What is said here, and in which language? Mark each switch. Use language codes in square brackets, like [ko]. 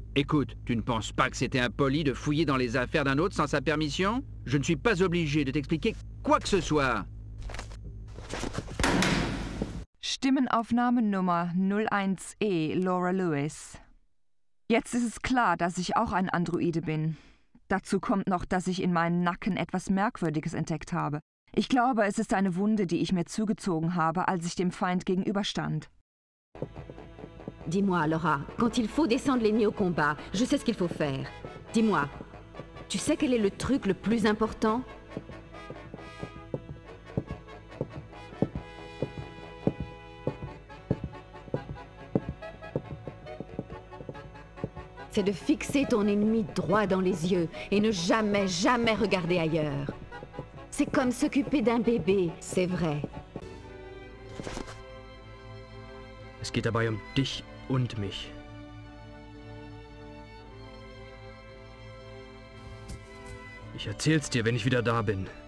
[fr] Écoute, tu ne penses pas que c'était impoli de fouiller dans les affaires d'un autre sans sa permission? Je ne suis pas obligé de t'expliquer quoi que ce soit. [de] Stimmenaufnahme Nummer 01E, Laura Lewis. Jetzt ist es klar, dass ich auch ein Androide bin. Dazu kommt noch, dass ich in meinem Nacken etwas Merkwürdiges entdeckt habe. Ich glaube, es ist eine Wunde, die ich mir zugezogen habe, als ich dem Feind gegenüberstand. [fr] Dis-moi, Laura, quand il faut descendre l'ennemi au combat, je sais ce qu'il faut faire. Dis-moi, tu sais quel est le truc le plus important? C'est de fixer ton ennemi droit dans les yeux et ne jamais, jamais regarder ailleurs. C'est comme s'occuper d'un bébé, c'est vrai. [de] Es geht dabei um dich und mich. Ich erzähl's dir, wenn ich wieder da bin.